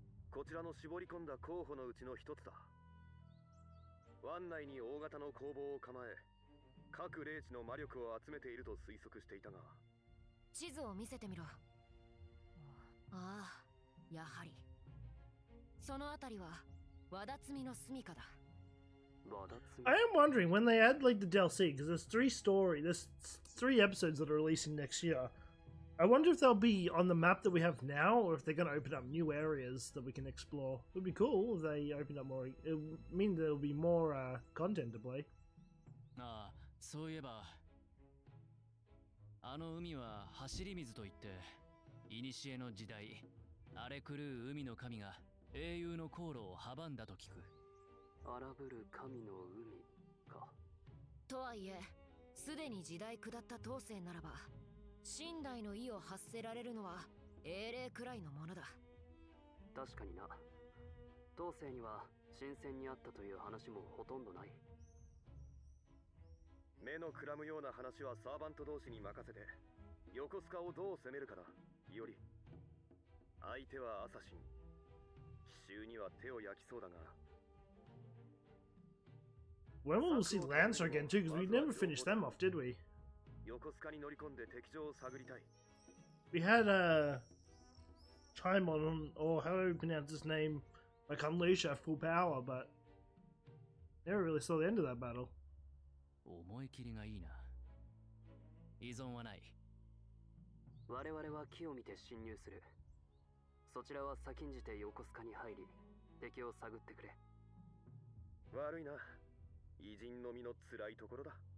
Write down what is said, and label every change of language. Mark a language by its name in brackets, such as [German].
[Japanese] こちらの絞り込んだ候補のうちの一つだ。湾内に大型の工房を構え、各霊地の魔力を集めていると推測していたが。地図を見せてみろ。ああ、やはり。そのあたりは、和田摘みの住処だ。和田摘 [English] み? I am wondering when they add like the DLC, because there's three episodes that are releasing next year. I wonder if they'll be on the map that we have now, or if they're going to open up new areas that we can explore. It would be cool if they opened up more. It would mean there'll be more content to play. [Japanese] Ah, so いえば、あの海は走り水といって、いにしえの時代、荒れ狂う海の神が英雄の航路を阻んだと聞く。荒ぶる神の海か。とはいえ、すでに時代下った当世ならば。神代の意を発せられるのは英霊くらいのものだ。確かにな。当世には神仙にあったという話もほとんどない。目のくらむような話はサーバント同士に任せて、横須賀をどう攻めるかだ。より、相手はアサシン。奇襲には手を焼きそうだが。 [English] When will we see Lancer again too? Because we never finished them off, did we? [Japanese] 横須賀に乗り込んで敵情を探りたい。 [English] We had a time on, or however you pronounce his name, like unleash at full power, but never really saw the end of that battle. [Japanese] 思い切りがいいな。依存はない。我々は木を見て侵入する。そちらは先んじて横須賀に入り、敵を探ってくれ。悪いな。偉人の身の辛いところだ。